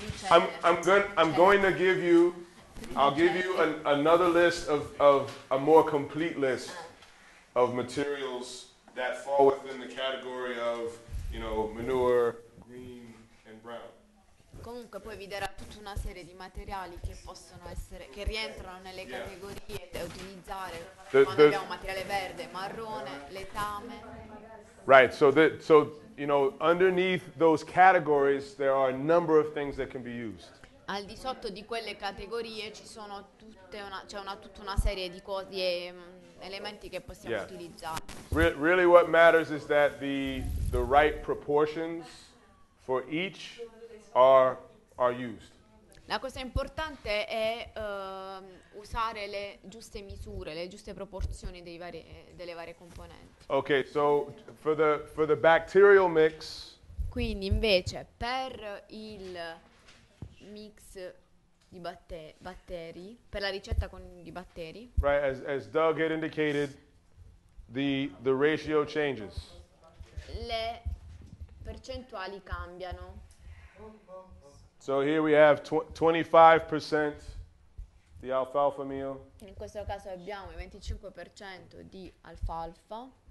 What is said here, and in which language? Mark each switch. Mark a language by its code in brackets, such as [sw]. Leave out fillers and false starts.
[en] I'll give you another list of a more complete list of materials that fall within the category of, you know, manure, green and brown. [it] Comunque poi vi darà tutta una serie di materiali che possono essere che rientrano nelle categorie da utilizzare. Quando abbiamo materiale verde, marrone, letame. [en] Right, so you know, underneath those categories there are a number of things that can be used. [it] Al di sotto di quelle categorie ci sono tutta una serie di cose e elementi che possiamo utilizzare. [en] Really what matters is that the right proportions for each are used. [it] La cosa importante è usare le giuste misure, le giuste proporzioni delle varie componenti. [en] Okay, so for the bacterial mix. [it] Quindi invece per il mix di batteri, per la ricetta con i batteri. [en] Right, as Doug had indicated, the ratio changes. [it] Le percentuali cambiano. [en] So here we have 25% the alfalfa meal. [it] In questo caso abbiamo il 25% di alfalfa.